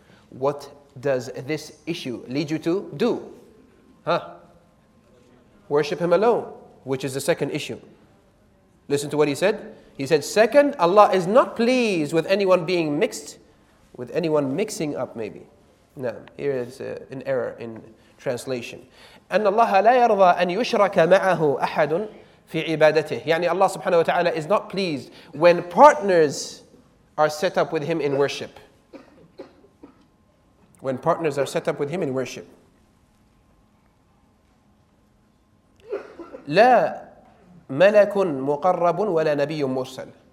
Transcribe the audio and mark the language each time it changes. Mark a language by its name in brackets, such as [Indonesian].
[English] What does this issue lead you to do? Huh? Worship Him alone, which is the second issue. Listen to what he said. He said, second, Allah is not pleased with anyone being mixed, with anyone mixing up maybe. No, here is an error in translation. [Arabic] أن الله لا يرضى أن يشرك معه أحد في عبادته. [English] يعني Allah subhanahu wa ta'ala is not pleased when partners are set up with Him in worship. When partners are set up with Him in worship. [Arabic] لا ملك مقرب ولا نبي مرسل.